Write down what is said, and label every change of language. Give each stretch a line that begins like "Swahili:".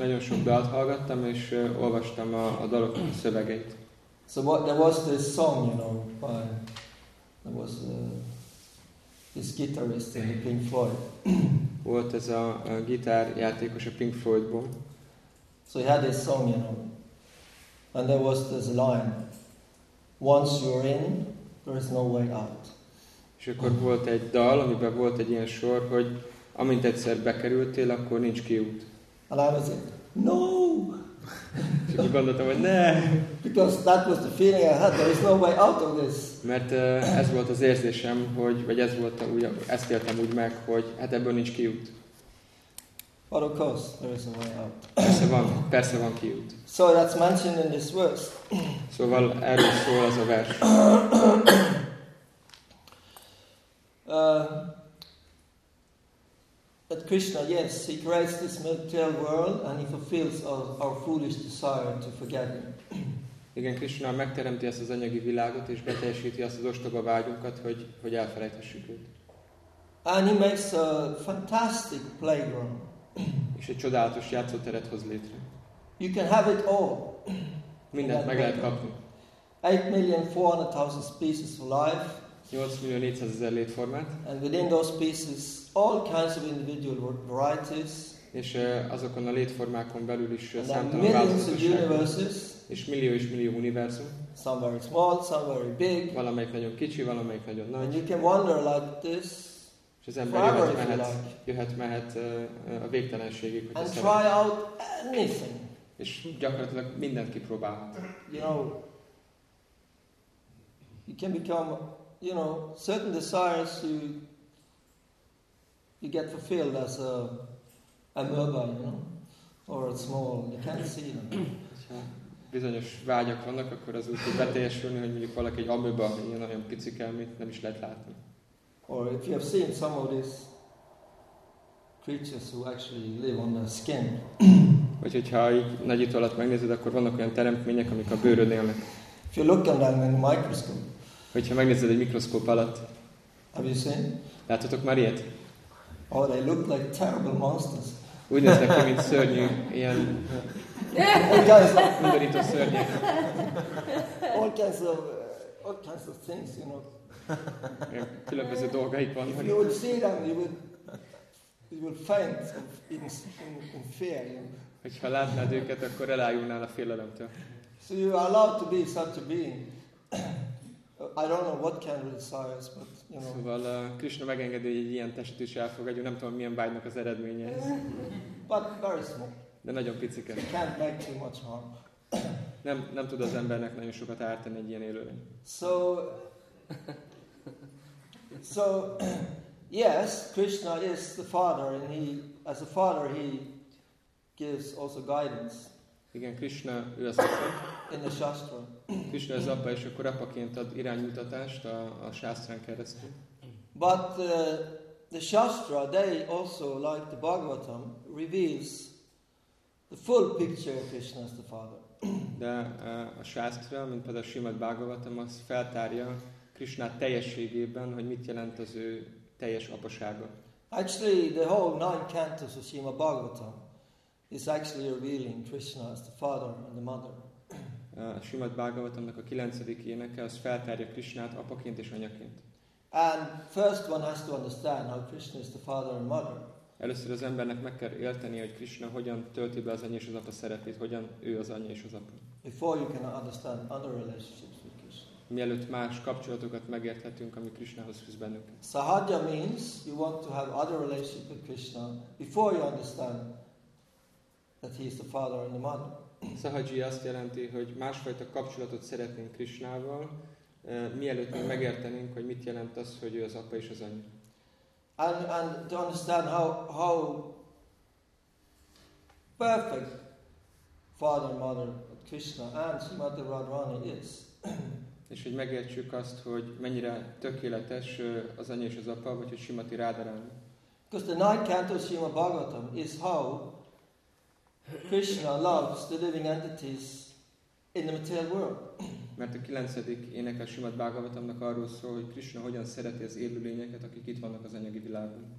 Hungarian: És nagyon sok dalt hallgattam és olvastam a dalok szövegeit.
English: So what, there was this song, by there was this guitarist in Pink Floyd.
Hungarian: Volt ez a gitárjátékos a Pink Floydból.
English: So he had this song, and there was this line: "Once you're in, there is no way out."
Hungarian: És akkor volt egy dal, amiben volt egy ilyen sor, hogy amint egyszer bekerültél, akkor nincs kiút.
English: And I was like, "No!"
Hungarian: És akkor gondoltam, hogy ne!
English: Because that was the feeling I had. There is no way out of this.
Hungarian: Mert ez volt az érzésem, hogy vagy ez volt, ezt éltem úgy meg, hogy hát ebből nincs kiút.
English: But of course, there is a way out.
Hungarian: Persze van kiút.
English: So that's mentioned in this verse.
Hungarian: Szóval erről szól az a vers.
English: That Krishna, yes, he creates this material world and he fulfills our foolish desire to forget him.
Hungarian: Igen, Krishna megteremti ezt az anyagi világot és beteljesíti azt az ostoba vágyunkat, hogy elfelejthessük őt.
English: And he makes a fantastic playground.
Hungarian: És egy csodálatos játszóteret hoz létre.
English: You can have it all.
Hungarian: Mindent meg lehet kapni.
English: 8,400,000 species of life.
Hungarian: 8,400,000 létformát.
English: And within those species, all kinds of individual varieties.
Hungarian: És azokon a létformákon belül is számtalan változatosság.
English: And millions of universes.
Hungarian: És millió és millió univerzum.
English: Some very small, some very big.
Hungarian: Valamelyik nagyon kicsi, valamelyik nagyon nagy.
English: And you can wander like this.
Hungarian: És az ember jöhet-mehet a végtelenségig.
English: And try out anything.
Hungarian: És gyakorlatilag mindent kipróbálhat.
English: You can become, certain desires you get fulfilled as a amoeba, or a small, you can't see them.
Hungarian: Bizonyos vágyak vannak, akkor az úgy beteljesülni, hogy mondjuk valaki egy amoeba, ilyen nagyon picik el, mint nem is lehet látni.
English: Or if you have seen some of these creatures who actually live on their skin.
Hungarian: Vagy hogyha így nagy itt alatt megnézed, akkor vannak olyan teremtmények, amik a bőrön élnek.
English: If you look at them in a microscope.
Hungarian: Hogyha megnézed egy mikroszkóp alatt.
English: Have you seen?
Hungarian: Láttatok már ilyet?
English: Oh, they look like terrible monsters.
Hungarian: Úgy néznek ki, mint szörnyű, ilyen... Mindenit a szörnyek.
English: All kinds of things,
Hungarian: Különböző dolgaik vannak.
English: If you would see them, you would faint in fear.
Hungarian: Hogyha látnád őket, akkor elájulnál a félelemtől.
English: So you are allowed to be such a being. I don't know what kind of desires, but
Hungarian: Szóval Krishna megengedi, hogy egy ilyen testet is elfogadjon, nem tudom, milyen vágynak az eredménye.
English: But very small.
Hungarian: De nagyon picike.
English: It can't make too much harm.
Hungarian: Nem tud az embernek nagyon sokat ártani egy ilyen élőlény.
English: So yes, Krishna is the father, and he, as a father, he gives also guidance.
Hungarian: Igen, Krishna, ő az apa.
English: In the Shastra.
Hungarian: Krishna az apa, és akkor apaként ad iránymutatást a Shastrán keresztül.
English: But the Shastra, they also, like the Bhagavatam, reveals the full picture of Krishna as the father.
Hungarian: De a Shastra, mint például a Srimad Bhagavatam, az feltárja Krishnát teljességében, hogy mit jelent az ő teljes apasága.
English: Actually, the whole 9 cantos of Srimad Bhagavatam is actually revealing Krishna as the father and the mother.
Hungarian: A Srimad Bhagavatamnak a 9. éneke az feltárja Krishnát apaként és anyaként.
English: And first one has to understand how Krishna is the father and mother.
Hungarian: Először az embernek meg kell érteni, hogy Krishna hogyan tölti be az anya és az apa szerepét, hogyan ő az anya és az apa.
English: Before you can understand other relationships with Krishna.
Hungarian: Mielőtt más kapcsolatokat megérthetünk, ami Krishnahoz fűz bennünk.
English: Sahaja means you want to have other relationship with Krishna before you understand that he is the father and the mother.
Hungarian: Sahaji azt jelenti, hogy másfajta kapcsolatot szeretnénk Krishnával, mielőtt még megértenénk, hogy mit jelent az, hogy ő az apa és az anya.
English: And to understand how perfect father and mother Krishna and Srimati Radharani is.
Hungarian: És hogy megértsük azt, hogy mennyire tökéletes az anya és az apa, vagy hogy Srimati Radharani.
English: Because the ninth canto of Srimad Bhagavatam is how Krishna loves the living entities in the material world.
Hungarian: Mert a 9. ének a Srimad Bhagavatamnak arról szól, hogy Krishna hogyan szereti az élőlényeket, akik itt vannak az anyagi világban.